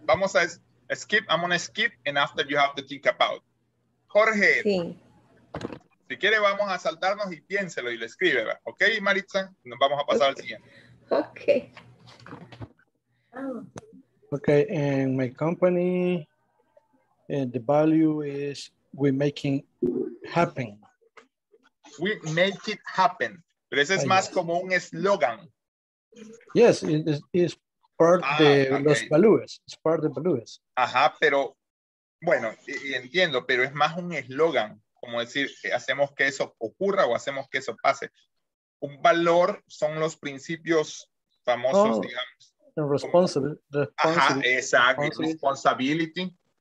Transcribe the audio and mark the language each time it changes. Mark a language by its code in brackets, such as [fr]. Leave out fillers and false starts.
[es] Vamos a [en] skip. I'm going to skip, and after you have to think about. Jorge. [es] Sí. Si quiere, vamos a saltarnos y piénselo y le escribe, ¿va? ¿Ok, Maritza? Nos vamos a pasar okay. al siguiente. Ok. Oh. [en] Ok, en my company, the value is we making happen. We make it happen. [es] Pero ese es más como un eslogan. [en] Yes, it is it's part of los values. It's part of the values. [es] Ajá, pero bueno, y entiendo, pero es más un eslogan. Como decir, hacemos que eso ocurra o hacemos que eso pase. Un valor son los principios famosos, digamos. [en] Responsibility.